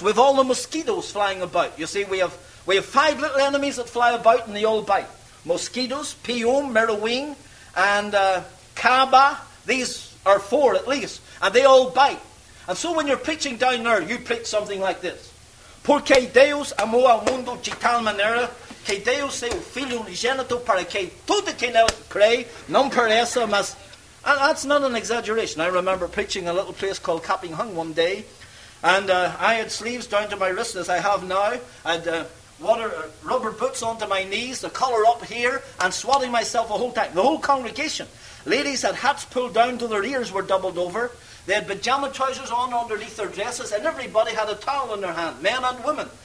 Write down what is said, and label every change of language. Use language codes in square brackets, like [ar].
[en] We have all the mosquitoes flying about. You see, we have five little enemies that fly about and they all bite. Mosquitoes, Pium, Merowing, and Kaaba. These are four at least, and they all bite. And so when you're preaching down there, you preach something like this. [pt] Porque Deus amou ao mundo de tal maneira que deu seu filho unigênito para que todo que nele crê não pereça, mas... [en] And that's not an exaggeration. I remember preaching in a little place called Kapping Hung one day, and I had sleeves down to my wrists as I have now, and rubber boots onto my knees, the collar up here, and swatting myself a whole time. The whole congregation. Ladies had hats pulled down till their ears were doubled over. They had pajama trousers on underneath their dresses, and everybody had a towel in their hand, men and women.